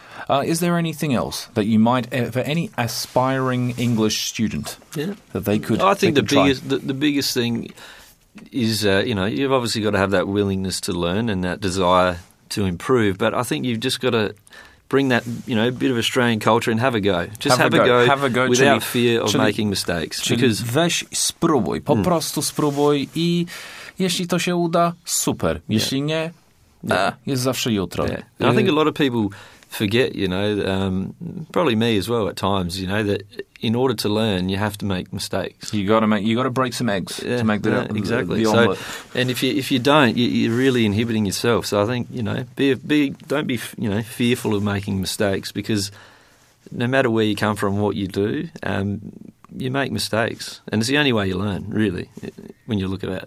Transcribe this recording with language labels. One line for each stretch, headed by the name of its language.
English: Is there anything else that you might, for any aspiring English student, that they could try? I think the biggest thing is, you know, you've obviously got to have that willingness to learn and that desire to improve. But I think you've just got to bring that, you know, bit of Australian culture and have a go. Just have a go without fear of making mistakes. Because
Polish: weź spróbuj, po prostu spróbuj i jeśli to się uda, super. Jeśli nie, jest zawsze jutro.
English: I think a lot of people forget, you know, probably me as well at times, you know, that in order to learn, you have to make mistakes. You got to break some eggs to make exactly. The omelet. So, and if you don't, you're really inhibiting yourself. So I think, you know, don't be, you know, fearful of making mistakes, because no matter where you come from, what you do, you make mistakes, and it's the only way you learn, really, when you look at it.